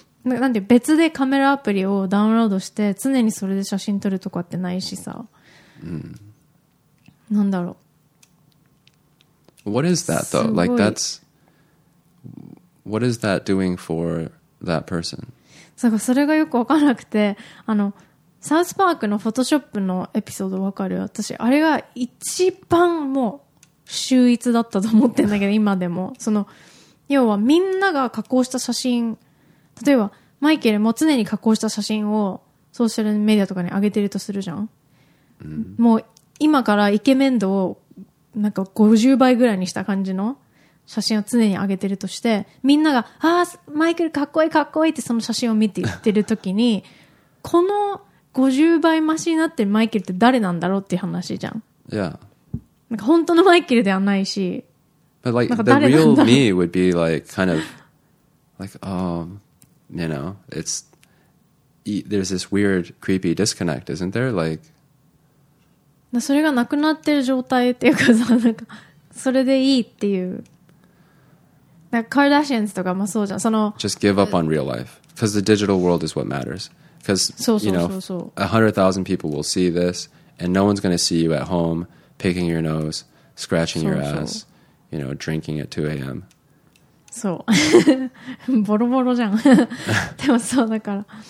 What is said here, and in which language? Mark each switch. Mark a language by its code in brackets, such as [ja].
[ja] なんで別でカメラアプリをダウンロードして常にそれで写真撮るとかってないしさ。うん。なんだろう。 [en] What is that though? Like that's what is that doing for that person? [ja] それがよく分からなくて、あのサウスパークのフォトショップのエピソード分かる？私あれが一番もう秀逸だったと思ってんだけど今でもその要はみんなが加工した写真、例えばマイケルも常に加工した写真をソーシャルメディアとかに上げてるとするじゃん、うん、もう今からイケメン度をなんか50倍ぐらいにした感じの写真を常に上げてるとして、みんながあーマイケルかっこいいかっこいいってその写真を見て言ってるときにこの50倍マシになってるマイケルって誰なんだろうっていう話じゃん。いや、なんか本当のマイケルではないし、 [en] But like the real me would be like kind of like you know, it's there's this weird creepy disconnect, isn't there? Like, [ja] それがなくなってる状態っていうかさ、なんかそれでいいっていう。なんかカーダシアンズとかもそうじゃん。その [en] Just give up on real life, because the digital world is what matters. Because you know, 100,000 people will see this, and no one's going to see you at home. Picking your nose, scratching your ass, you know, drinking at 2 a.m. [ja] そう。ボロボロじゃん。でもそうだから。